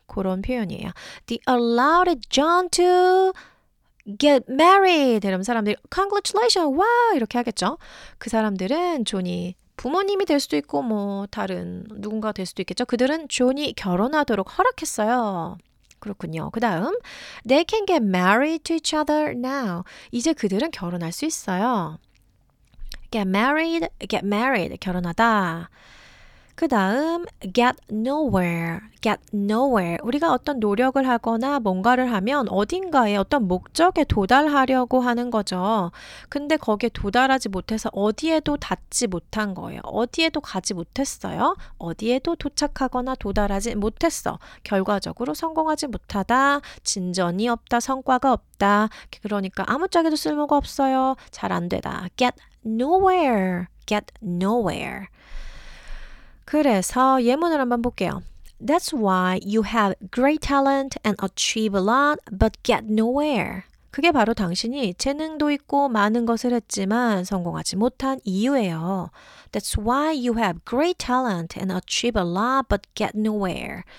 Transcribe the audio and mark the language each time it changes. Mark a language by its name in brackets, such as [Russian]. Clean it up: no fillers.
[Korean] 그런 표현이에요. [English] They allowed John to get married. [Korean] 이런 사람들이 congratulations, 와 이렇게 하겠죠. 그 사람들은 존이 부모님이 될 수도 있고 뭐 다른 누군가가 될 수도 있겠죠. 그들은 존이 결혼하도록 허락했어요. 그렇군요. 그 다음 [English] they can get married to each other now. [Korean] 이제 그들은 결혼할 수 있어요. Get married. 결혼하다. 그 다음 get nowhere 우리가 어떤 노력을 하거나 뭔가를 하면 어딘가에 어떤 목적에 도달하려고 하는 거죠. 근데 거기에 도달하지 못해서 어디에도 닿지 못한 거예요. 어디에도 가지 못했어요. 어디에도 도착하거나 도달하지 못했어. 결과적으로 성공하지 못하다, 진전이 없다, 성과가 없다. 그러니까 아무짝에도 쓸모가 없어요. 잘 안 되다. get nowhere 그래서 예문을 한번 볼게요. [English] That's why you have great talent and achieve a lot, but get nowhere. [Korean] 그게 바로 당신이 재능도 있고 많은 것을 했지만 성공하지 못한 이유예요. [English] That's why you have great talent and achieve a lot, but get nowhere.